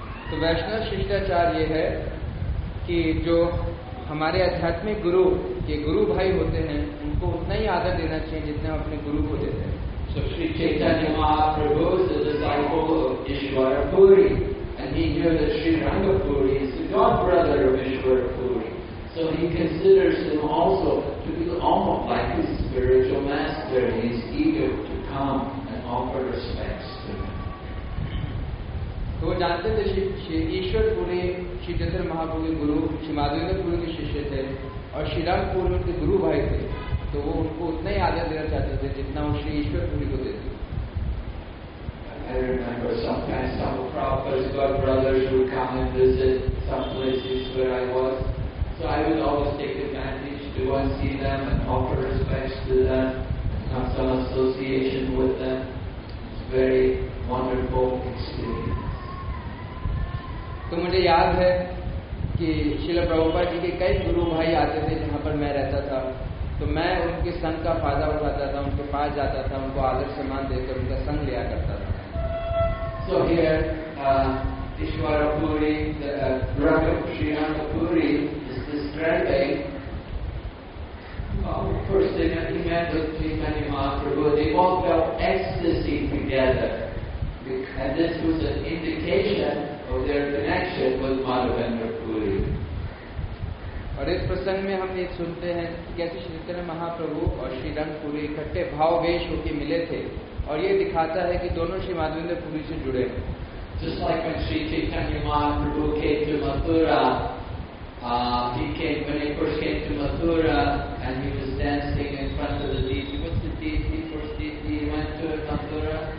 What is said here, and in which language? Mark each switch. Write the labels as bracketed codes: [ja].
[hi] तो वैष्णव शिष्टाचार ये है कि जो हमारे आध्यात्मिक गुरु के गुरु भाई होते हैं उनको उतना ही आदर देना चाहिए जितने हम अपने गुरु को देते हैं. [en] So Sri Chaitanya Mahaprabhu is a disciple of Ishwara Puri, and he knew that Sri Rangapuri is the god brother of Ishwara Puri. So he considers him also to be almost like his spiritual master, and he's eager to come and offer respects to him. [hi] तो वो जानते थे श्री ईश्वर पुरे श्री चैतन्य महाप्रभु के गुरु श्री माधवेंद्र पुरे के शिष्य थे और श्री रामपुर उनके गुरु भाई थे तो वो उनको उतना ही आदर देना चाहते थे जितना वो श्री ईश्वर पुरे को देते. [en] I remember sometimes some of Prabhupada's god brothers would come and visit some places where I was. So I would always take advantage to go and see them and offer respects to them and have some association with them. It's very wonderful experience. [hi] तो मुझे याद है कि श्रील प्रभुपाद जी के कई गुरु भाई आते थे जहाँ पर मैं रहता था तो मैं उनके संग का फायदा उठाता था, उनके पास जाता था, उनको आदर सम्मान देकर उनका संग लिया करता था. [en] So here Ishwara Puri, the brother of Sri Rangapuri, is describing first thing that he met with Chaitanya Mahaprabhu, they both felt ecstasy together. And this was an indication of their connection with Madhavendra Puri. [hi] और इस प्रसंग में हम ये सुनते हैं कैसे श्री चैतन्य महाप्रभु और श्री रंगपुरी इकट्ठे भाव वेश होके मिले थे और ये दिखाता है कि दोनों श्री माधवेंद्र पुरी से जुड़े हैं. [en] Just like when Sri Chaitanya Mahaprabhu came to Mathura, when he first came to Mathura and he was dancing in front of the deity, what's the deity, first deity he went to Mathura?